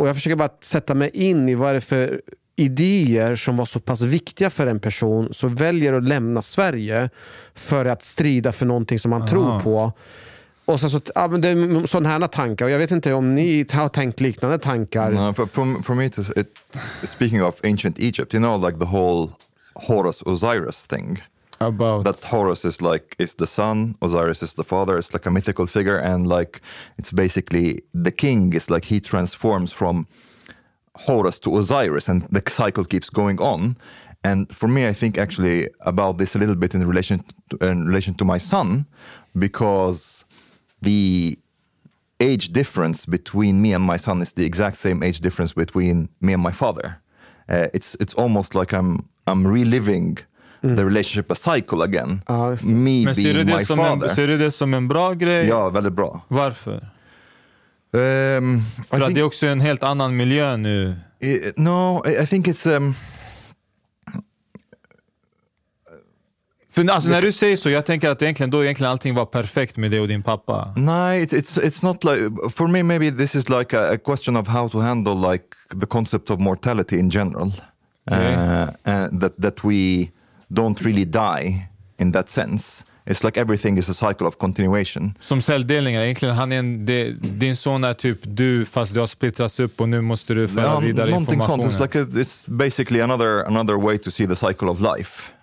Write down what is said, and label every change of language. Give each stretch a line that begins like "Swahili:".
Swedish: Och jag försöker bara sätta mig in i vad är det för idéer som var så pass viktiga för en person som väljer att lämna Sverige för att strida för någonting som man tror på. Och så, ja, men det är sådana här tankar. Och jag vet inte om ni har tänkt liknande tankar.
English: No, for me, speaking of ancient Egypt, you know, like the whole Horus Osiris thing. About that, Horus is like is the son, Osiris is the father. It's like a mythical figure, and like it's basically the king. It's like he transforms from Horus to Osiris, and the cycle keeps going on. And for me, I think actually about this a little bit in relation to my son, because the age difference between me and my son is the exact same age difference between me and my father. It's almost like I'm reliving the relationship a cycle again. Me
Swedish: men ser du det
English: my
Swedish: som
English: father.
Swedish: En, ser du det som en bra grej? Ja, väldigt bra. Varför? För att det är också en helt annan miljö nu.
English: I think it's...
Swedish: För alltså, när du säger så, jag tänker att egentligen allting var perfekt med dig och din pappa.
English: Nej, it's not like... For me, maybe this is like a question of how to handle like the concept of mortality in general. Okay. That we don't really die in that sense. It's like everything is a cycle of continuation.
Swedish: Som celldelningar, egentligen. Din son är typ du, fast du har splittrats upp och nu måste du föra vidare informationen. Sånt.
English: It's like it's basically another way to see the cycle of life.